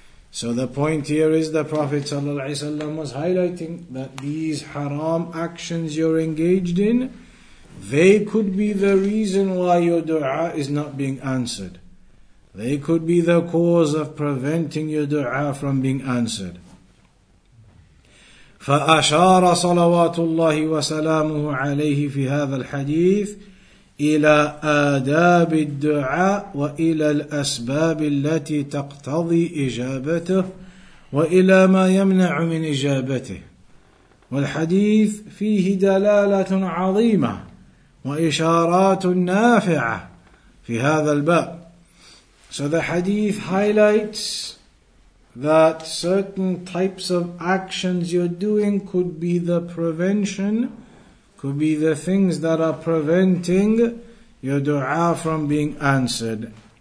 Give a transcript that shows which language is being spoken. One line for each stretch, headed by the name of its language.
English: So the point here is the Prophet ﷺ was highlighting that these haram actions you're engaged in, they could be the reason why your dua is not being answered. They could be the cause of preventing your dua from being answered.
Arabic: فَأَشَارَ صَلَوَاتُ اللَّهِ وَسَلَامُهُ عَلَيْهِ فِي هَذَا الْحَدِيثِ إلى آداب الدعاء وإلى الأسباب التي تقتضي إجابته وإلى ما يمنع من إجابته. والحديث فيه دلالة عظيمة وإشارات نافعة في هذا الباب.
English: So the hadith highlights that certain types of actions you're doing could be the prevention, could be the things that are preventing your dua from being answered.